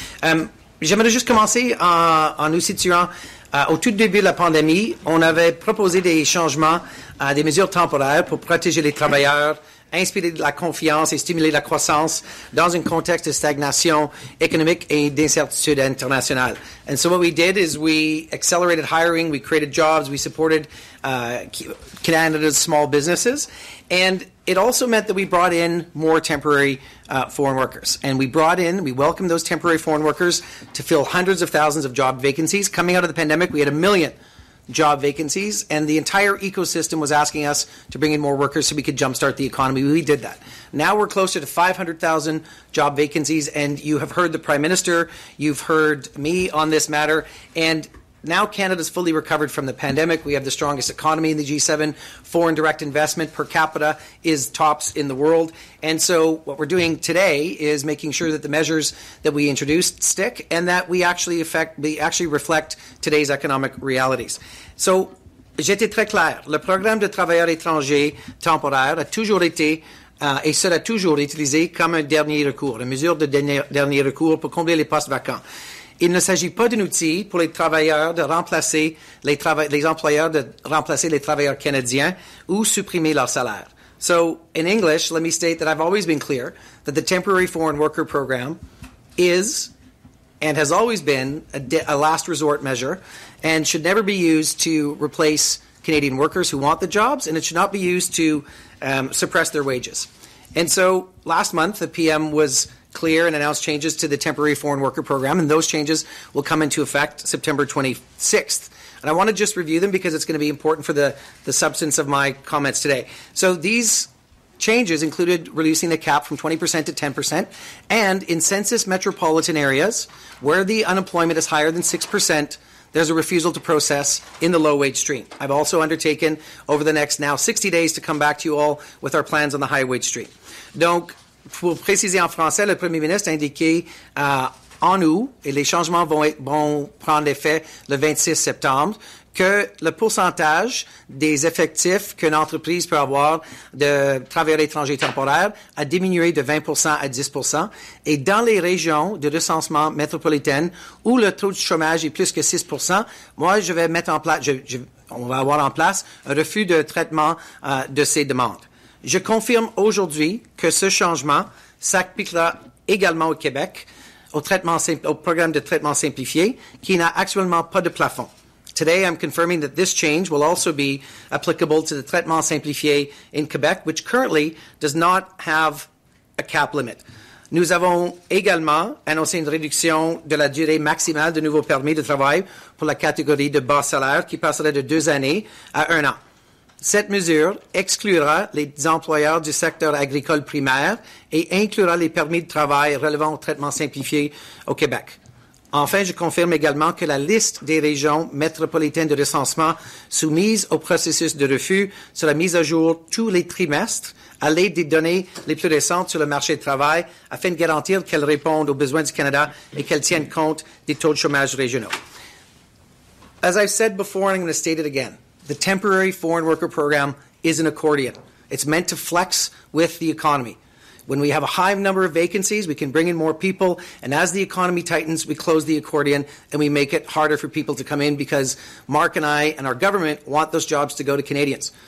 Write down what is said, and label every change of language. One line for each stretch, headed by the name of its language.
French: J'aimerais juste commencer en nous situant au tout début de la pandémie. On avait proposé des changements, des mesures temporaires pour protéger les travailleurs, inspirer de la confiance et stimuler la croissance dans un contexte de stagnation économique et d'incertitude internationale.
English: And so what we did is we accelerated hiring, we created jobs, we supported Canada's small businesses, and it also meant that we brought in more temporary foreign workers. And we welcomed those temporary foreign workers to fill hundreds of thousands of job vacancies. Coming out of the pandemic, we had a million job vacancies, and the entire ecosystem was asking us to bring in more workers so we could jumpstart the economy. We did that. Now we're closer to 500,000 job vacancies, and you have heard the Prime Minister, you've heard me on this matter, and now Canada's fully recovered from the pandemic. We have the strongest economy in the G7. Foreign direct investment per capita is tops in the world. And so what we're doing today is making sure that the measures that we introduced stick and that we actually reflect today's economic realities.
French: So j'étais très clair. Le programme de travailleurs étrangers temporaires a toujours été et sera toujours utilisé comme un dernier recours, une mesure de dernier recours pour combler les postes vacants. Il ne s'agit pas d'un outil pour les travailleurs de remplacer les employeurs de remplacer les travailleurs canadiens ou supprimer leur salaire.
English: So, in English, let me state that I've always been clear that the temporary foreign worker program is and has always been a last resort measure and should never be used to replace Canadian workers who want the jobs, and it should not be used to suppress their wages. And so, last month, the PM was clear and announced changes to the temporary foreign worker program, and those changes will come into effect September 26th. And I want to just review them because it's going to be important for the substance of my comments today. So these changes included reducing the cap from 20% to 10%, and in census metropolitan areas where the unemployment is higher than 6%, there's a refusal to process in the low-wage stream. I've also undertaken over the next now 60 days to come back to you all with our plans on the high-wage stream.
French: Donc, pour préciser en français, le premier ministre a indiqué en août, et les changements vont prendre effet le 26 septembre, que le pourcentage des effectifs qu'une entreprise peut avoir de travailleurs étrangers temporaires a diminué de 20% à 10%. Et dans les régions de recensement métropolitaine où le taux de chômage est plus que 6%, moi, je vais mettre en place, on va avoir en place un refus de traitement de ces demandes. Je confirme aujourd'hui que ce changement s'appliquera également au Québec, au programme de traitement simplifié, qui n'a actuellement pas de plafond. Today, I'm confirming that this change will also be applicable to the traitement simplifié in Québec, which currently does not have a cap limit. Nous avons également annoncé une réduction de la durée maximale de nouveaux permis de travail pour la catégorie de bas salaire, qui passerait de 2 années à 1 an. Cette mesure exclura les employeurs du secteur agricole primaire et inclura les permis de travail relevant au traitement simplifié au Québec. Enfin, je confirme également que la liste des régions métropolitaines de recensement soumises au processus de refus sera mise à jour tous les trimestres à l'aide des données les plus récentes sur le marché du travail afin de garantir qu'elles répondent aux besoins du Canada et qu'elles tiennent compte des taux de chômage régionaux.
English: As I've said before, and I'm going to state it again, the temporary foreign worker program is an accordion. It's meant to flex with the economy. When we have a high number of vacancies, we can bring in more people, and as the economy tightens, we close the accordion and we make it harder for people to come in because Mark and I and our government want those jobs to go to Canadians.